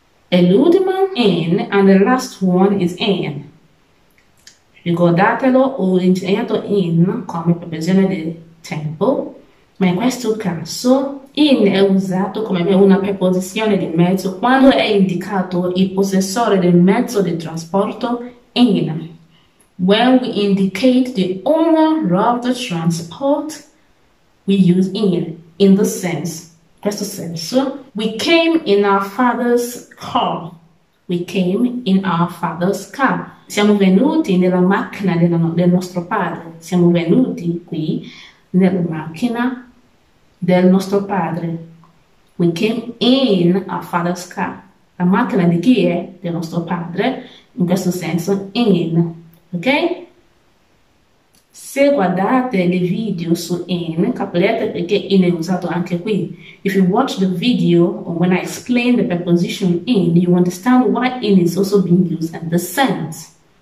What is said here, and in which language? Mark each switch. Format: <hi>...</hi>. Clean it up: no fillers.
<it>E l'ultimo in,</it> <en>and the last one is in.</en> <it>Ricordatelo, ho insegnato in come preposizione del tempo, ma in questo caso in è usato come una preposizione di mezzo quando è indicato il possessore del mezzo di trasporto in.</it> <en>When we indicate the owner of the transport, we use in the sense.</en> <it>Questo senso,</it> <en>we came in our father's car. We came in our father's car.</en> <it>Siamo venuti nella macchina del nostro padre. Siamo venuti qui nella macchina del nostro padre.</it> <en>We came in our father's car.</en> <it>La macchina di chi è? Del nostro padre, in questo senso, in. Ok? Se guardate il video su in, capirete perché in è usato anche qui.</it> <en>If you watch the video or when I explain the preposition in, you understand why in is also being used in this sense.</en>